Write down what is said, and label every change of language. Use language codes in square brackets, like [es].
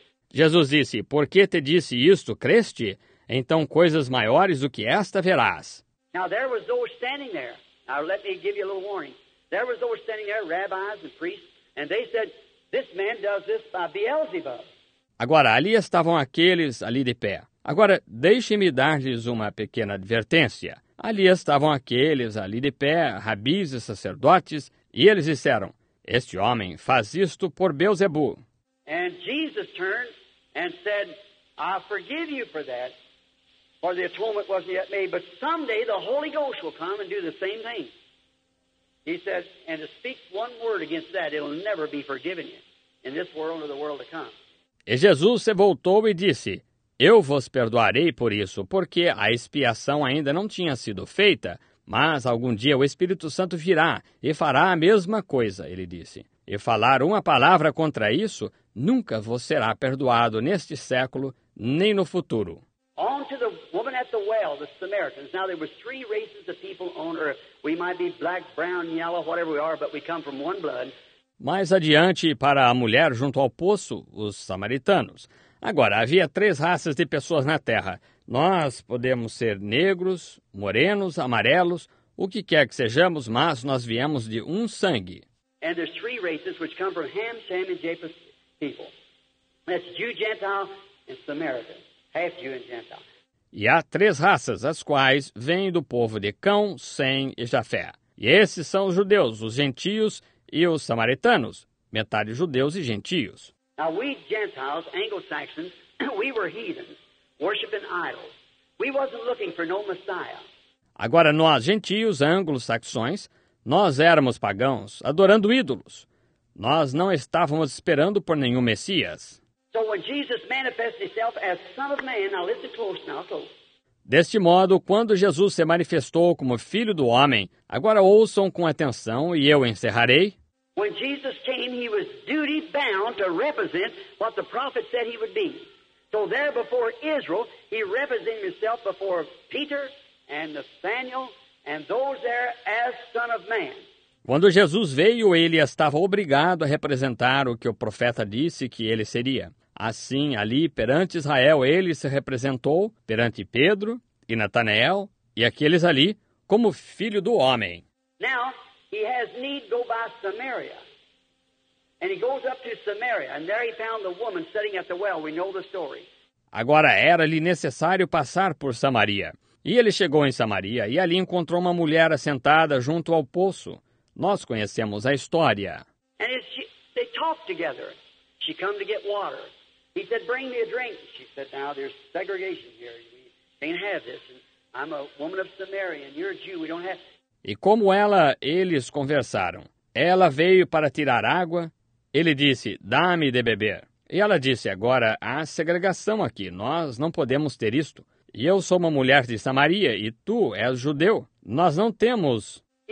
[pt] Jesus disse: porque te disse isto, creste? Então coisas maiores do que esta verás. [en] Now there was those standing there. Now let me give you a little warning. There was those standing there, rabbis and priests, and they said, this man does this by Beelzebub. [pt] Agora, ali estavam aqueles ali de pé. Agora, deixe-me dar-lhes uma pequena advertência. Ali estavam aqueles ali de pé, rabis e sacerdotes, e eles disseram, este homem faz isto por Beelzebub. [en] And Jesus turned and said, I forgive you for that, for the atonement wasn't yet made, but someday the Holy Ghost will come and do the same thing. He said, and to speak one word against that, it'll never be forgiven you in this world or the world to come. [pt] E Jesus se voltou e disse, eu vos perdoarei por isso, porque a expiação ainda não tinha sido feita, mas algum dia o Espírito Santo virá e fará a mesma coisa, ele disse. E falar uma palavra contra isso, nunca vos será perdoado neste século, nem no futuro. [en] On to the woman at the well, the Samaritans. Now there were three races of people on earth. We might be black, brown, yellow, whatever we are, but we come from one blood. [pt] Mais adiante, para a mulher junto ao poço, os samaritanos. Agora, havia três raças de pessoas na terra. Nós podemos ser negros, morenos, amarelos, o que quer que sejamos, mas nós viemos de um sangue. [en] And there's three races which come from Ham, Shem, and Japheth people. That's Jew, Gentile, and Samaritan. Half Jew and Gentile. [pt] E há três raças, as quais vêm do povo de Cão, Sem e Jafé. E esses são os judeus, os gentios e os samaritanos, metade judeus e gentios. [en] Now we Gentiles, Anglo-Saxons, we were heathens, worshiping idols. We wasn't looking for no Messiah. [pt] Agora nós, gentios, anglo-saxões, nós éramos pagãos, adorando ídolos. Nós não estávamos esperando por nenhum Messias. [en] So when Jesus manifests himself as Son of Man, now listen close now, close. [pt] Deste modo, quando Jesus se manifestou como Filho do Homem, agora ouçam com atenção e eu encerrarei. [en] When Jesus came, he was duty bound to represent what the prophet said he would be. So there before Israel, he represented himself before Peter and Nathaniel and those there as Son of Man. [pt] Quando Jesus veio, ele estava obrigado a representar o que o profeta disse que ele seria. Assim, ali, perante Israel, ele se representou perante Pedro e Natanael e aqueles ali como filho do homem. [en] Now, he has need to go by Samaria. And he goes up to Samaria, and there he found the woman sitting at the well. We know the story. [pt] Agora, era-lhe necessário passar por Samaria. E ele chegou em Samaria, e ali encontrou uma mulher assentada junto ao poço. Nós conhecemos a história. [en] And they talked together. She came to get water. He said, bring me a drink. She said, now there's segregation here. We can't have this. And I'm a woman of Samaria, and you're a Jew. We don't have... [pt] E como eles conversaram. Ela veio para tirar água. Ele disse, dá-me de beber. E ela disse, agora há segregação aqui. Nós não podemos ter isto. E eu sou uma mulher de Samaria e tu és judeu. Nós não temos.